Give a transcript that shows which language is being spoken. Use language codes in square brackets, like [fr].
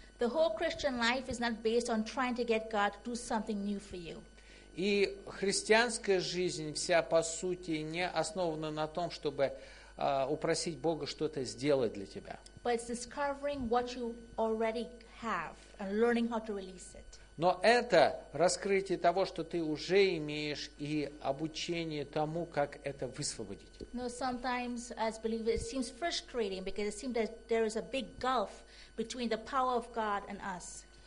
[en] The whole Christian life is not based on trying to get God to do something new for you. [ru] И христианская жизнь вся, по сути, не основана на том, чтобы упросить Бога что-то сделать для тебя. [en] But it's discovering what you already have and learning how to release it. [ru] Но это раскрытие того, что ты уже имеешь, и обучение тому, как это высвободить. [en] No, sometimes as believers, it seems frustrating because it seems that there is a big gulf between the power of God and us.